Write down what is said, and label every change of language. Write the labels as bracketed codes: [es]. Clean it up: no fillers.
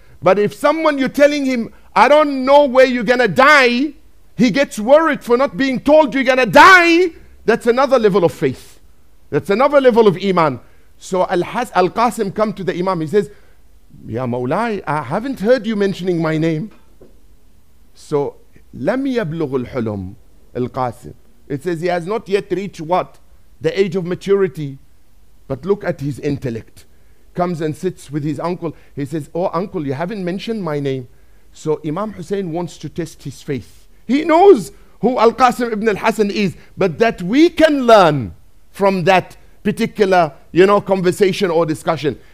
[en] But if someone you're telling him, I don't know where you're gonna die, he gets worried for not being told you're gonna die. That's another level of faith. That's another level of iman. So Al-Qasim come to the Imam. He says, Ya Mawlai, I haven't heard you mentioning my name. [ar] So, لم يبلغ الحلم Al-Qasim. [en] It says he has not yet reached what? The age of maturity. But look at his intellect. Comes and sits with his uncle. He says, oh uncle, you haven't mentioned my name. So Imam Hussein wants to test his faith. He knows who Al-Qasim ibn al-Hasan is. But that we can learn from that particular, you know, conversation or discussion.